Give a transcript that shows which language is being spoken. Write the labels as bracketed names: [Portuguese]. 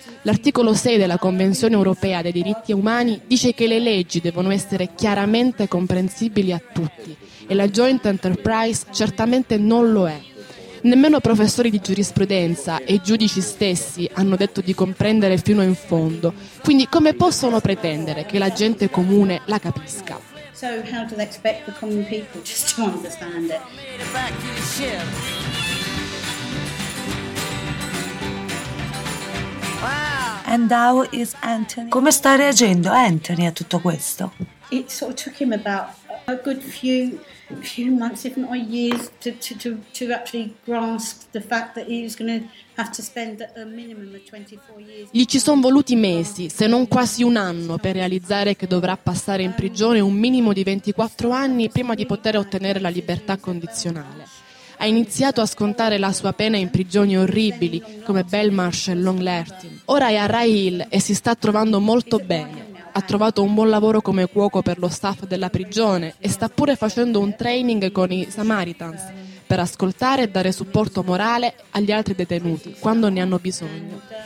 [Italian] L'articolo 6 della Convenzione Europea dei Diritti Umani dice che le leggi devono essere chiaramente comprensibili a tutti e la Joint Enterprise certamente non lo è. Nemmeno professori di giurisprudenza e giudici stessi hanno detto di comprendere fino in fondo, quindi come possono pretendere che la gente comune la capisca? [English] So how do they expect the common people just to understand it? And how is Anthony? [Italian] Come sta reagendo Anthony a tutto questo? [English] It sort of took him about a good few few months, if not years, to actually grasp the fact that he was going to have to spend a minimum of 24 years. [Italian] Gli ci sono voluti mesi, se non quasi un anno, per realizzare che dovrà passare in prigione un minimo di 24 anni prima di poter ottenere la libertà condizionale. Ha iniziato a scontare la sua pena in prigioni orribili come Belmarsh e Longlertin. Ora è a Rye Hill e si sta trovando molto bene. Ha trovato un buon lavoro come cuoco per lo staff della prigione e sta pure facendo un training con i Samaritans per ascoltare e dare supporto morale agli altri detenuti quando ne hanno bisogno.